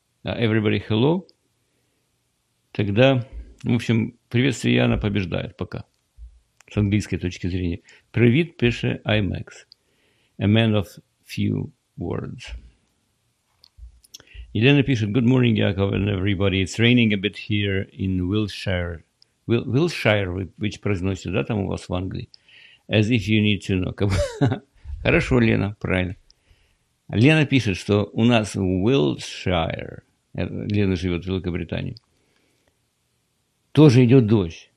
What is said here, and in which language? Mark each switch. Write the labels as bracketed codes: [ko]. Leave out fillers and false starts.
[ru] А [en] everybody hello, [ru] тогда, в общем, приветствие Яна побеждает пока. С английской точки зрения. Привет, пишет IMAX. [en] A man of few words. [ru] Елена пишет: [en] good morning, Яков, and everybody. It's raining a bit here in Wiltshire. [ru] Wiltshire, [en] which [ru] произносится, да, там у вас в Англии. [en] As if you need to know. [ru] Хорошо, Лена, правильно. Лена пишет, что у нас в Уилтшайр, Лена живет в Великобритании, тоже идет дождь.